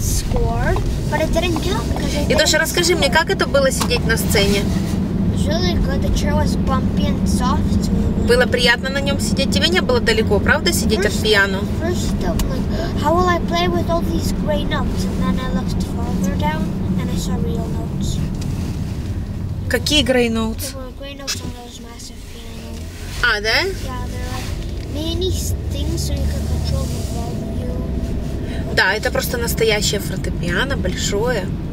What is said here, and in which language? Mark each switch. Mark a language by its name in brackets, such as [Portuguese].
[English] I almost scored, but I didn't get it. [Russian] Идоша, расскажи мне, как это было сидеть на сцене? [English] Really good. The chair was bumpy and soft. [Russian] Было приятно на нем сидеть. Тебе не было далеко, правда, сидеть [English] first, [Russian] от пиано? [English] First of all, like, how will I play with all these gray notes? And then I looked further down and I saw real notes. [Russian] Какие gray notes? [English] There were gray notes on those massive pianos. [Russian] А, да? [English] Yeah, there are many things, so you can control the volume. [Russian] Да, это просто настоящее фортепиано, большое.